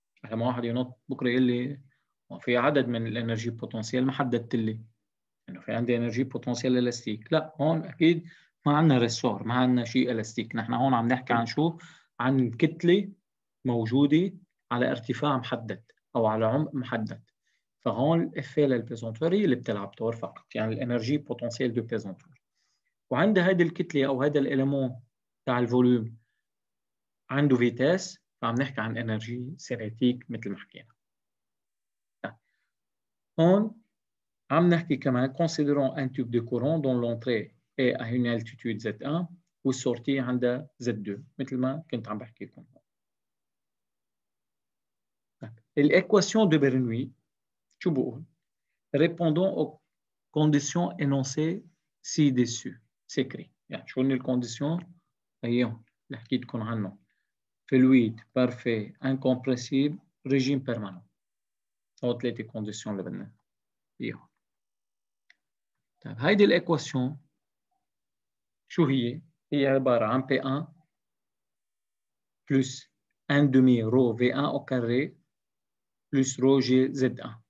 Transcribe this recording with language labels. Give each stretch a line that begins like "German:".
Arabic: لما واحد ينط بكره يقول لي في عدد من الانرجي بوتنسيال، ما حددت لي انه في عندي انرجي بوتنسيال الاستيك، لا هون اكيد ما عندنا ريسور، ما عندنا شيء الاستيك، نحن هون عم نحكي عن شو؟ عن كتله موجوده على ارتفاع محدد او على عمق محدد. فهون الافي للبيزونتور هي اللي بتلعب دور فقط، يعني الانرجي بوتنسيال دو بيزونتور. وعند هذه الكتله او هذا الاليمون تاع الفوليوم عنده فيتاس، فعم نحكي عن انرجي سيناتيك مثل ما حكينا. هون عم نحكي كمان
French: considerons un tube de courant dont l'entrée est à une altitude Z1
Arabic: والsortie عندها Z2، مثل ما كنت عم بحكي لكم.
French: الإكواسيون دو برنوي
Arabic: شو بقول؟
French: répondant aux conditions énoncées ci-dessus s'écrit.
Arabic: يعني شو هن الكونديسيون؟ هيهم اللي حكيت لكم عنهم.
French: فلويد بارفي انكومبريسيب ريجيم بيرمانون.
Arabic: هو ثلاثة كونديسيون اللي بدنا فيهم. طيب هيدي الإكواسيون شو هي؟ هي عبارة عن P1 بلس أن دومي رو V1 أو كاري بلس رو جي Z1.